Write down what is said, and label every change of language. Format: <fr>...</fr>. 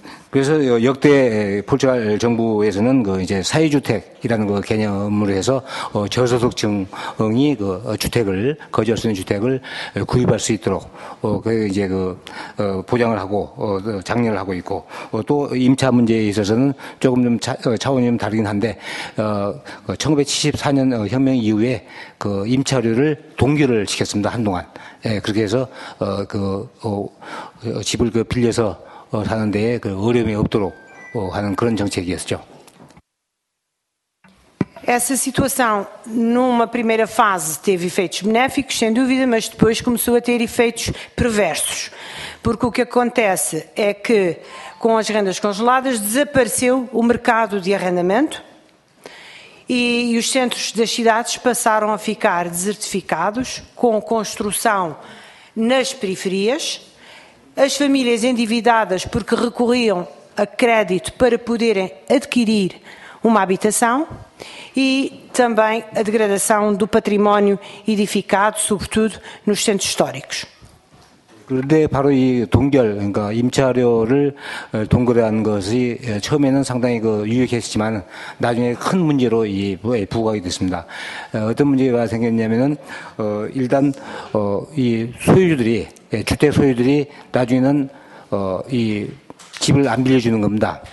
<ko>그래서 역대 포르투갈 정부에서는 그 이제 사유주택이라는 그 개념을 해서 저소득층이 그 주택을 거주할 수 있는 주택을 구입할 수 있도록 그 이제 그 보장을 하고 장려를 하고 있고 또 임차 문제에 있어서는 조금 좀 차원이 좀 다르긴 한데 1974년 혁명 이후에 그 임차료를 동결을 시켰습니다 한동안 그렇게 해서 그 집을 그 빌려서 사는데 그 어려움이 없도록 하는 그런 정책이었죠.</ko> <pt>Essa situação, numa primeira fase, teve efeitos benéficos, sem dúvida, mas depois começou a ter efeitos perversos. Porque o que acontece é que, com as rendas congeladas, desapareceu o mercado de arrendamento e os centros das cidades passaram a ficar desertificados, com construção nas periferias. As famílias endividadas porque recorriam a crédito para poderem adquirir uma habitação e também a degradação do património edificado, sobretudo nos centros históricos.</pt> <ko>그런데 바로 이 동결, 그러니까 임차료를 동결한 것이 처음에는 상당히 그 유익했지만 나중에 큰 문제로 부각이 됐습니다. 어떤 문제가 생겼냐면은 일단 이 소유주들이 주택 소유들이 나중에는 이 집을 안 빌려주는 겁니다.</ko>